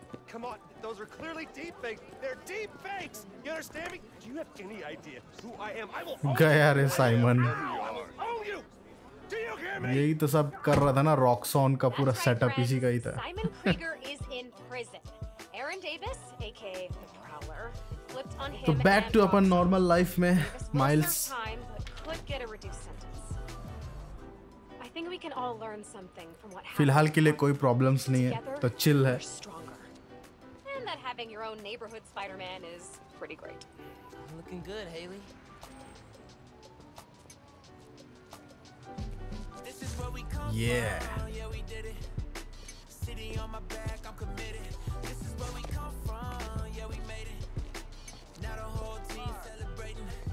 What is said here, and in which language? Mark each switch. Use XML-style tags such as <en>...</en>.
<en>Come on, those are clearly deep fakes. They're deep fakes. You understand me? Do you have any idea who I am? I will.</en> <hi>गया रे Simon. यही तो सब कर रहा था ना रॉक्सॉन का पूरा सेटअप इसी का ही था.</hi> <en>Simon Krieger is in prison. Aaron Davis aka the Prowler flipped on him.</en> <hi>तो</hi> <en>back to</en> <hi>upon normal life में miles.</hi> <en>I think we can all learn something from what.</en> <hi>फिलहाल के लिए कोई प्रॉब्लम्स नहीं है तो चिल है.</hi> <en>And that having your own neighborhood Spider-Man is pretty great. Looking good, Haley. This is where we come from. Yeah, we did it. City on my back, I'm committed. This is where we come from. Yeah, we made it. Now the whole team celebrating.</en>